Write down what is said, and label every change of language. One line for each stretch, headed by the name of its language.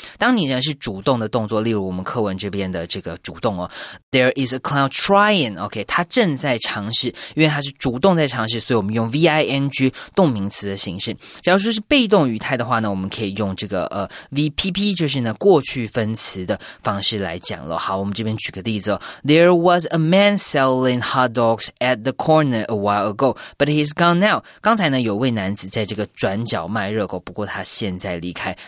Chinese: 当你呢是主动的动作，例如我们课文这边的这个主动哦，
English: there is a clown trying，
Chinese: OK， 他正在尝试，因为他是主动在尝试，所以我们用 ving 动名词的形式。假如说是被动语态的话呢，我们可以用这个VPP， 就是呢过去分词的方式来讲了。好，我们这边举个例子哦，
English: There was a man selling hot dogs at the corner a while ago, but he's gone now.
Chinese: 刚才呢有位男子在这个转角卖热狗，不过他现在离开。